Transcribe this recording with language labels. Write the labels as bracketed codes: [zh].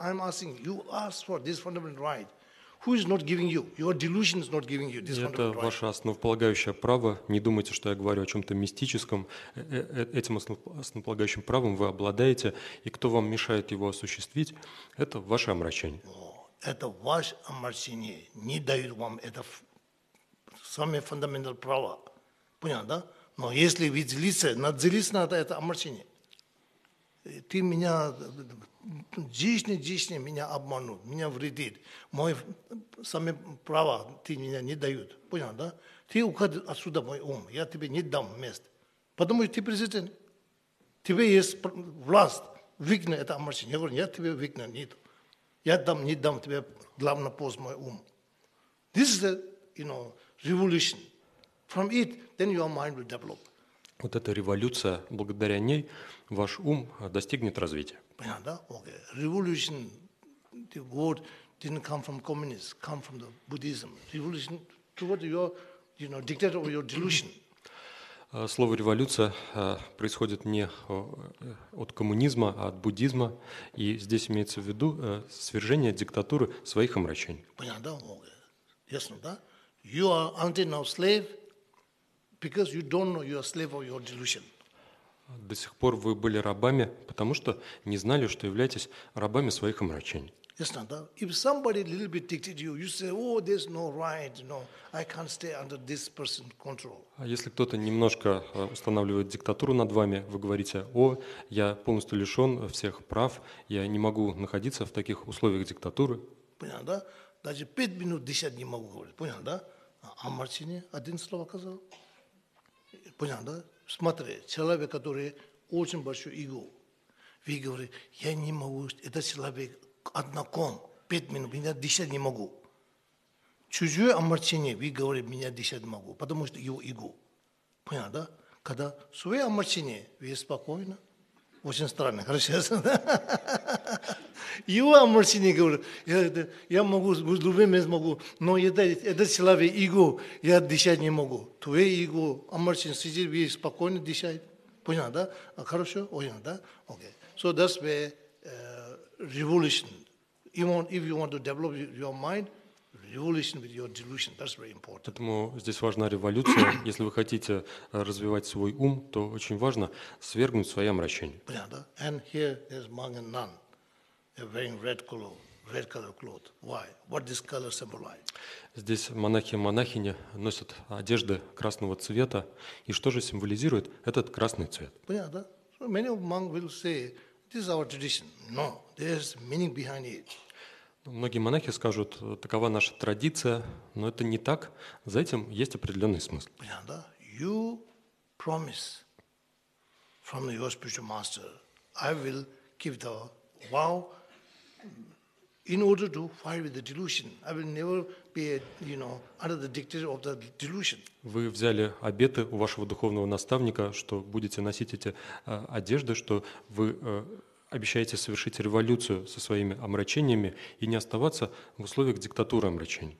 [en] I'm asking you, ask for this fundamental right. Who is not giving you? Your delusion is not giving you this fundamental right. [ru] Это ваше основополагающее право. Не думайте, что я говорю о чем-то мистическом. Этим основополагающим правом вы обладаете. И кто вам мешает его осуществить, это ваше омрачение. Это ваше омрачение не дает вам это самое фундаментальное право. Понятно, да? Но если вы делитесь, надзелиться надо это омрачение. Ты меня, дичь не меня обманул, меня вредит. Мои самые права ты меня не дают. Понятно, да? Ты уходи отсюда, мой ум. Я тебе не дам места. Потому что ты президент. Тебе есть власть. Выкни это омрачение. Я говорю, я тебе выкни, нет. Я дам, не дам тебе главный пост, мой ум. [en] This is the, revolution. From it, then your mind will develop. [ru] Вот эта революция, благодаря ней ваш ум достигнет развития. Понятно, да? [en] Okay. Revolution, the word didn't come from communism, come from the Buddhism. Revolution toward your, dictator or your delusion. [ru] Слово революция происходит не от коммунизма, а от буддизма. И здесь имеется в виду свержение диктатуры своих омрачений. Понятно, да? [en] Okay. [ru] Ясно, да? [en] You are until now slave, because you don't know you are slave of your delusion. [ru] До сих пор вы были рабами, потому что не знали, что являетесь рабами своих омрачений. Ясно, да? [en] If somebody a little bit dictated you, you say, oh, there's no right, I can't stay under this person's control. [ru] А если кто-то немножко устанавливает диктатуру над вами, вы говорите, о, я полностью лишен всех прав, я не могу находиться в таких условиях диктатуры. Понятно, да? Даже 5 минут 10 не могу говорить. Понятно, да? А омрачение один слово сказал. Понятно, да? Смотри, человек, который очень большой эго. Ви говорите, я не могу, это человек, одноком, 5 минут, меня дышать не могу. Чужое омрачение, вы говорите, меня дышать могу, потому что его иго. Понятно, да? Когда свое омрачение, вы спокойно, очень странно, хорошо? Его омрачение, говорит, я могу, в любом месте могу, но это человек, иго, я дышать не могу. Твое иго, омрачение, сидит, вы спокойно дышать. Понятно, да? Хорошо? Понятно, да? Окей. [en] So that's where revolution, if you want to develop your mind, revolution with your delusion, that's very important. [ru] Поэтому здесь важна революция. Если вы хотите развивать свой ум, то очень важно свергнуть свои омрачения. Понятно, да? [en] And here there's monk and nun, they're wearing red color cloth. Why? What this color symbolize? [ru] Здесь монахи и монахини носят одежды красного цвета. И что же символизирует этот красный цвет? Понятно, да? [en] So many of monk will say, this is our tradition. No, there's meaning behind it. [ru] Многие монахи скажут, такова наша традиция, но это не так. За этим есть определенный смысл. Понятно, да? [en] You promise from your spiritual master, I will keep the vow in order to fight with the delusion. I will never be, you know, under the dictate of the delusion. [ru] Вы взяли обеты у вашего духовного наставника, что будете носить эти одежды, что вы обещаете совершить революцию со своими омрачениями и не оставаться в условиях диктатуры омрачений.